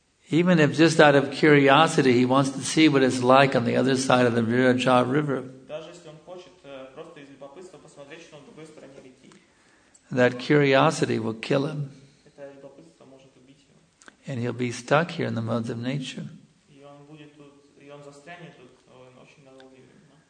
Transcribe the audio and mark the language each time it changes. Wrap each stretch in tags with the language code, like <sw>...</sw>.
<en>Even if just out of curiosity, he wants to see what it's like on the other side of the Viraja River.</en> <ru>просто из любопытства посмотреть, что он в другой стороне реки.</ru> <en>That curiosity will kill him.</en> <ru>Это любопытство может убить его.</ru> <en>And he'll be stuck here in the modes of nature.</en> <ru>И он будет тут, и он застрянет тут очень долгое время.</ru>